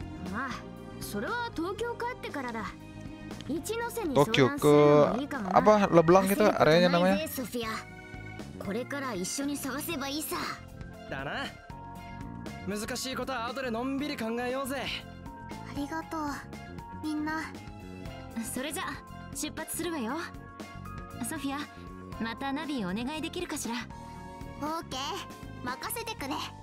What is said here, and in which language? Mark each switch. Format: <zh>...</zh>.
<ja>まあ、それは東京帰ってからだ。</ja> <id>Tokyo ke apa Leblanc itu areanya namanya?</id> <ja>これから一緒に探せばいいさ。だな。難しいことは後でのんびり考えようぜ。ありがとう。みんな。それじゃ、出発するわよ。ソフィア、またナビお願いできるかしら。オッケー。任せてくれ。</ja>